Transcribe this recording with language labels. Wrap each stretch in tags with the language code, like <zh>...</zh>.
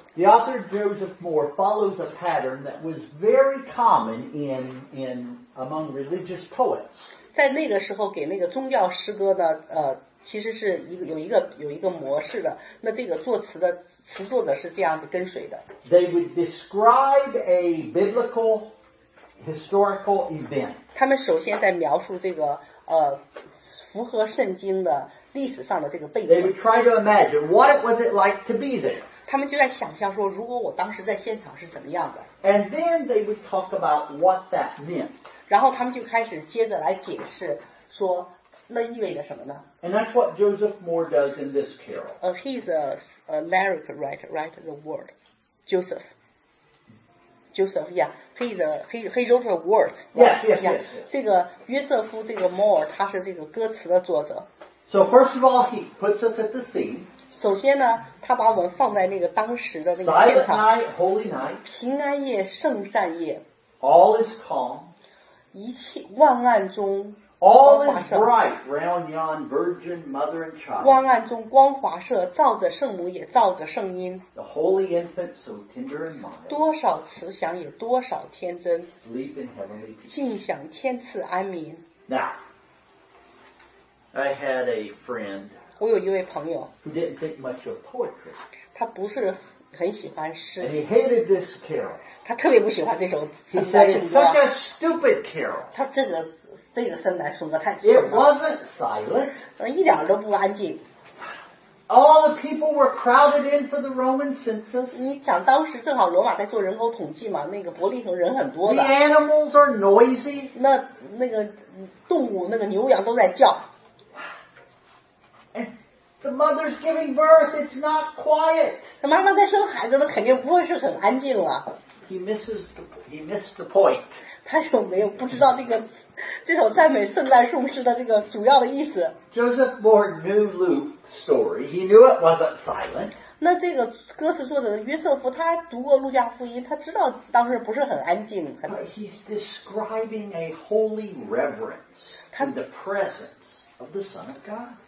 <en>The author Joseph Moore follows a pattern that was very common in among religious poets.</en> <zh>在那个时候给那个宗教诗歌呢，其实是有一个模式的。那这个作词的词作者是这样子跟随的。</zh> <en>They would describe a biblical historical event.</en> <zh>他们首先在描述这个符合圣经的。历史上的这个背景。</zh> <en>They would try to imagine what it was it like to be there.</en> <zh>他们就在想象说，如果我当时在现场是怎么样的。</zh> <en>And then they would talk about what that meant.</en> <zh>然后他们就开始接着来解释说，那意味着什么呢</zh> <en>？And that's what Joseph Moore does in this carol. He's a lyric writer, right? The word, Joseph. Joseph, yeah, he wrote the words. Yes, yes, yes, yes.</en> <zh>这个约瑟夫，这个 Moore， 他是这个歌词的作者。</zh> <en>So first of all, he puts us at the scene.</en> <zh>首先呢，他把我们放在那个当时的那个现场。</zh> <en>Silent night, holy night.</en> <zh>平安夜，圣善夜。</zh> <en>All is calm.</en> <zh>一切万案中。</zh> <en>All is bright round yon virgin mother and child.</en> <zh>万案中光华射，照着圣母也照着圣婴。</zh> <en>The holy infant so tender and mild.</en> <zh>多少慈祥也多少天真。</zh> <en>Sleep in heavenly peace.</en> <zh>尽享天赐安眠。</zh> <en>Now. I had a friend.</en> <zh>我有一位朋友</zh> <en>who didn't think much of poetry.</en> <zh>他不是很喜欢诗。</zh> <en>And he hated this carol.</en> <zh>他特别不喜欢这首。</zh> <en>He said it's such a stupid carol.</en> <zh>他这个圣诞颂歌太。</zh> <en>It wasn't silent.</en> <zh>一点都不安静。</zh> <en>All the people were crowded in for the Roman census.</en> <zh>你想当时正好罗马在做人口统计嘛，那个伯利恒人很多的。</zh> <en>The animals are noisy.</en> <zh>那个动物，那个牛羊都在叫。</zh> <en>The mother's giving birth. It's not quiet.</en> <zh>他妈妈在生孩子，那肯定不会是很安静了。</zh> <en>He missed the point.</en> <zh>他就没有不知道这个这首赞美圣诞颂诗的这个主要的意思。</zh> <en>Joseph Moore knew Luke's story. He knew it wasn't silent.</en> <zh>那这个歌词作者约瑟夫，他读过路加福音，他知道当时不是很安静。</zh> <en>But he's describing a holy reverence in the presence of the Son of God.</en>